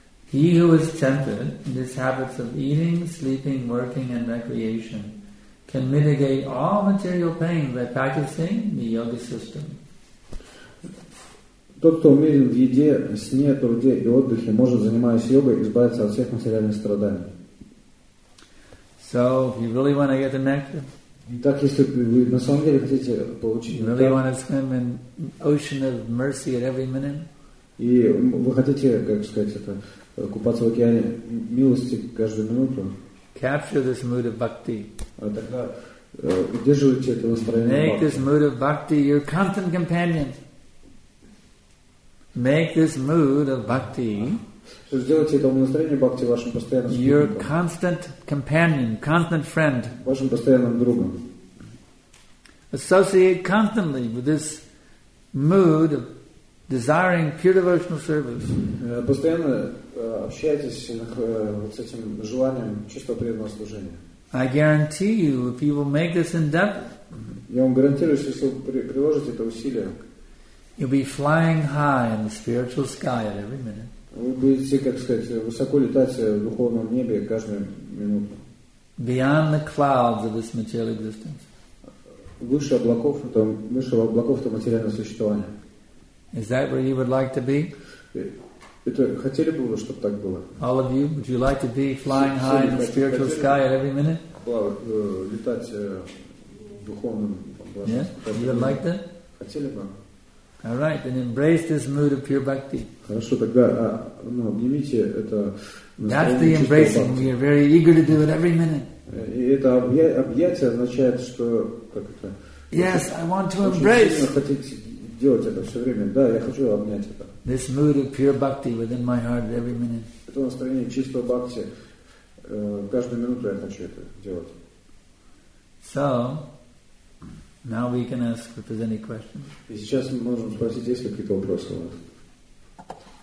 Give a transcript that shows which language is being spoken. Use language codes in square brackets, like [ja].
[en] He who is tempted in his habits of eating, sleeping, working and recreation can mitigate all material pain by practicing the yoga system. [ru] Тот, кто умерен в еде, сне, труде и отдыхе, может, занимаясь йогой, избавиться от всех материальных страданий. [en] So, if you really want to get the nectar, [ru] так, если вы на самом деле хотите получить [en] really нектар, want to swim in ocean of mercy at every minute, [ru] и вы хотите, как сказать, купаться в океане милости каждую минуту, [en] capture this mood of bhakti. [ru] Тогда удерживайте это настроение. [en] Make this mood of bhakti your constant companion. Make this mood of bhakti. [ru] Сделайте это настроение бхакти вашим постоянным спутником. [en] Your constant companion, constant friend. [ru] Вашим постоянным другом. [en] Associate constantly with this mood of desiring pure devotional service. [ru] Постоянно общайтесь с этим желанием чистого преданного служения. [en] I guarantee you, if you will make this endeavor, [ru] я вам гарантирую, если вы приложите это усилие, [en] you'll be flying high in the spiritual sky at every minute. [ru] Вы будете, как сказать, высоко летать в духовном небе каждую минуту. [en] Beyond the clouds of this material existence. [ru] Выше облаков, то материального существования. [en] Is that where you would like to be? [ru] Это хотели бы вы, чтобы так было? [en] All of you, would you like to be flying high in the spiritual sky at every minute? [ru] Летать в духовном [en] облаке. Yes, you would like that? [ru] Хотели бы. [en] All right, then embrace this mood of pure bhakti. [ru] Хорошо, тогда обнимите это. [en] That's the embracing. We are very eager to do it every minute. [ru] И это объятие означает, что как это. [en] Yes, I want to embrace. [ru] Хотите делать это все время? Да, я хочу обнять это. [en] This mood of pure bhakti within my heart every minute. [ru] Это настроение чистого бхакти. Каждую минуту я хочу это делать. [en] So. Now we can ask if there's any questions. [ru] И сейчас мы можем спросить, есть ли какие-то вопросы у вас.